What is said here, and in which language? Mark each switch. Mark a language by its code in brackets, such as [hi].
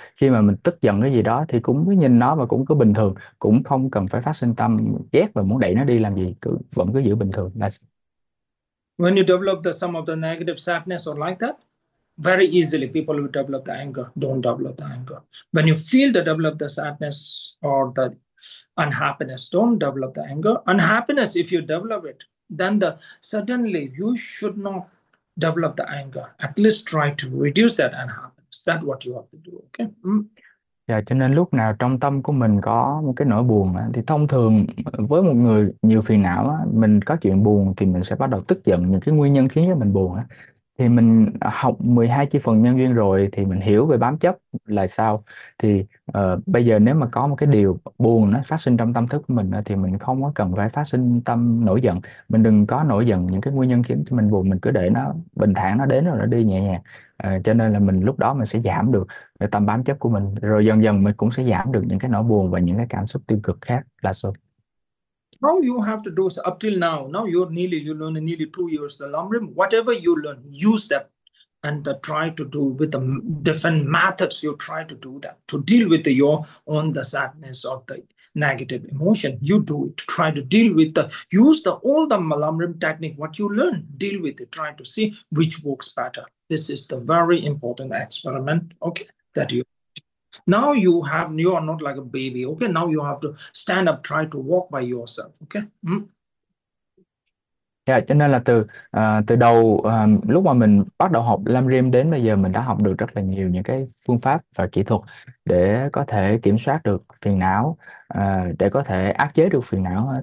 [vi] Khi mà mình tức giận cái gì đó thì cũng cứ nhìn nó và cũng cứ bình thường, cũng không cần phải phát sinh tâm ghét và muốn đẩy nó đi làm gì, cứ vẫn cứ giữ bình thường là. [en] When you develop the some of the negative sadness or like that, very easily people will develop the anger. Don't develop the anger. When you feel the develop the sadness or the unhappiness, don't develop the anger. Unhappiness, if you develop it, then the suddenly you should not develop the anger. At least try to reduce that unhappiness. That's what you have to do. Okay. [vi] Dạ, cho nên lúc nào trong tâm của mình có một cái nỗi buồn thì thông thường với một người nhiều phiền não, mình có chuyện buồn thì mình sẽ bắt đầu tức giận những cái nguyên nhân khiến cho mình buồn. Thì mình học 12 chi phần nhân duyên rồi thì mình hiểu về bám chấp là sao. Thì bây giờ nếu mà có một cái điều buồn nó phát sinh trong tâm thức của mình thì mình không có cần phải phát sinh tâm nổi giận. Mình đừng có nổi giận những cái nguyên nhân khiến cho mình buồn, mình cứ để nó bình thản, nó đến rồi nó đi nhẹ nhàng. Cho nên là mình lúc đó mình sẽ giảm được cái tâm bám chấp của mình, rồi dần dần mình cũng sẽ giảm được những cái nỗi buồn và những cái cảm xúc tiêu cực khác là số. [en] Now you have to do up till now. Now you learn in nearly 2 years the lamrim. Whatever you learn, use that and try to do with the different methods you try to do that to deal with your own the sadness of the negative emotion. You do it. Try to deal with the use the all the lamrim technique. What you learn, deal with it. Try to see which works better. This is the very important experiment. Okay, that you. Now you are not like a baby, okay? Now you have to stand up, try to walk by yourself, okay? [vi] Cho nên là từ từ đầu lúc mà mình bắt đầu học lâm rim đến bây giờ, mình đã học được rất là nhiều những cái phương pháp và kỹ thuật để có thể kiểm soát được phiền não, để có thể áp chế được phiền não.